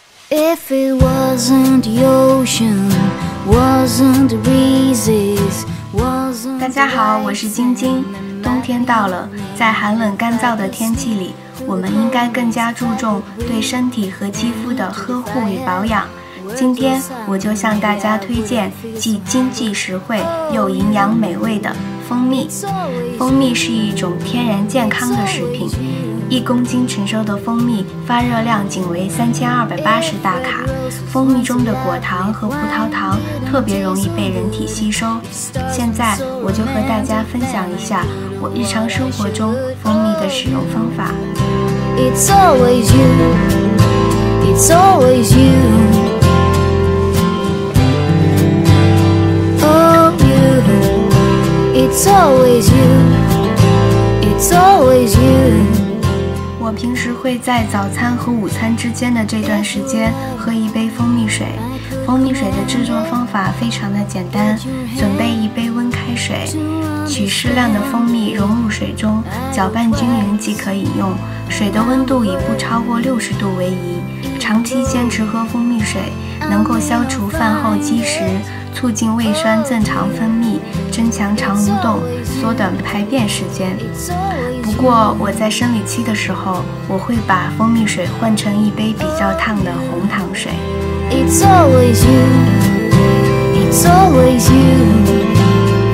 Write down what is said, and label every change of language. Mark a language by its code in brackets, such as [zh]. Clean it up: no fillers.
[en] If it wasn't ocean, wasn't breezes, wasn't [zh] 大家好，我是晶晶。冬天到了，在寒冷干燥的天气里，我们应该更加注重对身体和肌肤的呵护与保养。今天我就向大家推荐既经济实惠又营养美味的蜂蜜。蜂蜜是一种天然健康的食品，一公斤成熟的蜂蜜发热量仅为3280大卡。蜂蜜中的果糖和葡萄糖特别容易被人体吸收。现在我就和大家分享一下我日常生活中蜂蜜的使用方法。 [en] It's always you, it's always you. It's always you, it's always you. [zh] 我平时会在早餐和午餐之间的这段时间喝一杯蜂蜜水。蜂蜜水的制作方法非常的简单，准备一杯温开水，取适量的蜂蜜融入水中，搅拌均匀即可饮用。水的温度以不超过60度为宜。长期坚持喝蜂蜜水，能够消除饭后积食，促进胃酸正常分泌，增强肠蠕动，缩短排便时间。不过我在生理期的时候，我会把蜂蜜水换成一杯比较烫的红糖水。 [en] It's always you, it's always you.